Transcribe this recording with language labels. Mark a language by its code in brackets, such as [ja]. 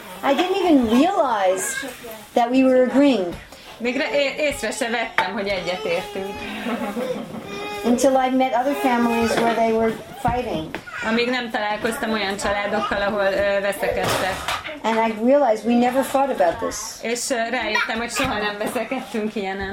[en] I didn't even realize that we were agreeing. [hu] Még észre se vettem, hogy egyetértünk. [en] Until I met other families where they were fighting. [hu] Amíg nem találkoztam olyan családokkal, ahol veszekedtek. [en] And I realized we never fought about this. [hu] És rájöttem, hogy soha nem veszekedtünk ilyenen.